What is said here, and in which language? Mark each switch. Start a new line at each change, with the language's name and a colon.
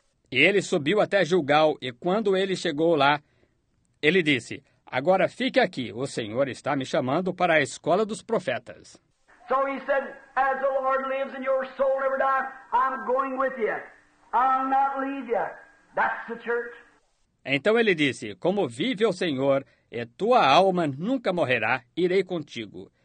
Portuguese: E ele subiu até Gilgal, e quando ele chegou lá, ele disse, agora fique aqui, o Senhor está me chamando para a escola dos profetas.
English: So he said, as the Lord lives and your soul never dies, I'm going with you. I'll not leave you. That's the church.
Portuguese: Então ele disse, como vive o Senhor, e tua alma nunca morrerá, irei contigo.